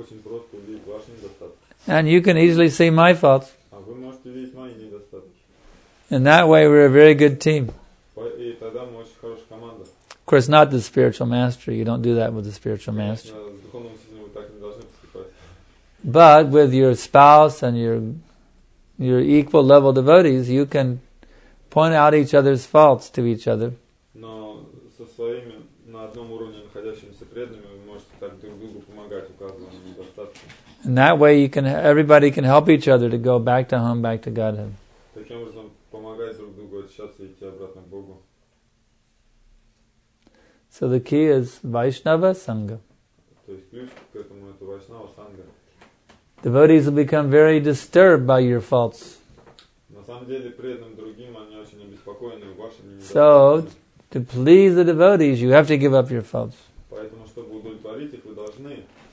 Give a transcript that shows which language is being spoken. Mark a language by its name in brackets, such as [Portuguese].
[Russian] очень просто увидеть ваши недостатки. [English] And you can easily see my faults. [Russian] А вы можете видеть мои недостатки. [English] In that way, we're a very good team. [Russian] И тогда мы очень хорошая команда. [English] Of course, not the spiritual master. You don't do that with the spiritual master. [Russian] Конечно, с духовным учителем вы так не должны поступать. [English] But with your spouse and your equal level devotees, you can point out each other's faults to each other. [Russian] Но со своими на одном уровне находящимися преданными вы можете так друг другу помогать, указывая на недостатки. [English] And that way you can everybody can help each other to go back to home, back to Godhead. [Russian] Таким образом помогать друг другу очищаться и идти обратно к Богу. [English] So the key is Vaishnava Sangha. [Russian] То есть ключ к этому это Вайшнава Санга. [English] Devotees will become very disturbed by your faults. [Russian] На самом деле преданным другим они очень обеспокоены вашими недостатками. [English] So to please the devotees, you have to give up your faults. [Russian] Поэтому чтобы удовлетворить их, вы должны.